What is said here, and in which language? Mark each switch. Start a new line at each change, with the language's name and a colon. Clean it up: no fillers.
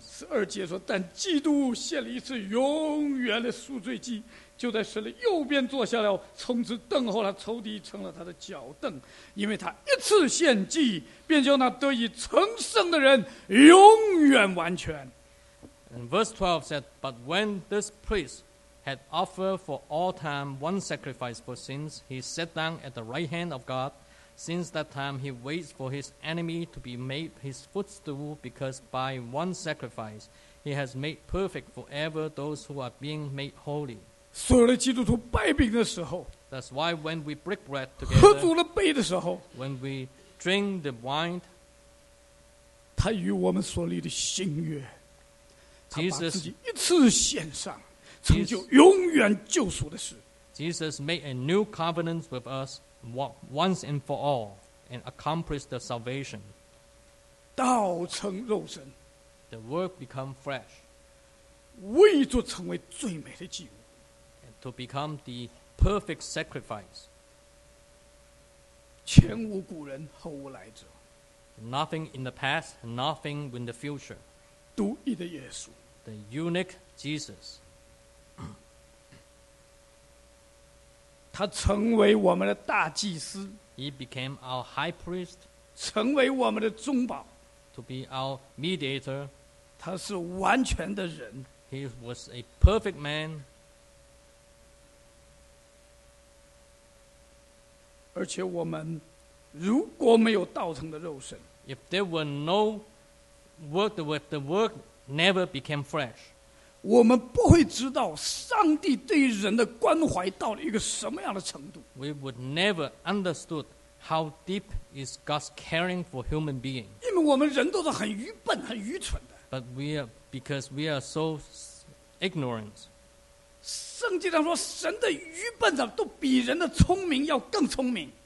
Chinese: 十二节说，但基督献了一次永远的赎罪祭，就在神的右边坐下了，从此等候他仇敌成了他的脚凳，因为他一次献祭，便叫那得以成圣的人永远完全。
English: And verse 12 said, But when this priest had offered for all time one sacrifice for sins, he sat down at the right hand of God. Since that time, he waits for his enemy to be made his footstool, because by one sacrifice, he has made perfect forever those who are being made holy.
Chinese: 所有的基督徒拜饼的时候,
English: That's why when we break bread together,
Chinese: 喝足了杯的时候,
English: when we drink the wine,
Chinese: 他与我们所立的新约。
English: Jesus,
Chinese: 他把自己一次献上，成就永远救赎的事。
English: Jesus made a new covenant with us once and for all, and accomplished the salvation.
Chinese: 道成肉身
English: ，the Word become flesh.
Chinese: 为着成为最美的祭物
English: ，and to become the perfect sacrifice.
Chinese: 前无古人，后无来者。
English: Nothing in the past, nothing in the future.
Chinese: 独一的耶稣。
English: The unique Jesus.
Chinese: 他成为我们的大祭司。
English: He became our high priest.
Chinese: 成为我们的中保。
English: To be our mediator.
Chinese: 他是完全的人。
English: He was a perfect man.
Chinese: 而且我们如果没有道成的肉身。
English: If there were no work with the work,Never became fresh.
Chinese: 我们不会知道上帝对人的关怀到了一个什么样的程度。
English: We would never understood how deep is God's caring for human beings.
Chinese: 因为我们人都是很愚笨、很愚蠢的。
English: But because we are so ignorant.
Chinese: 圣经上说，神的愚笨的都比人的聪明要更聪明。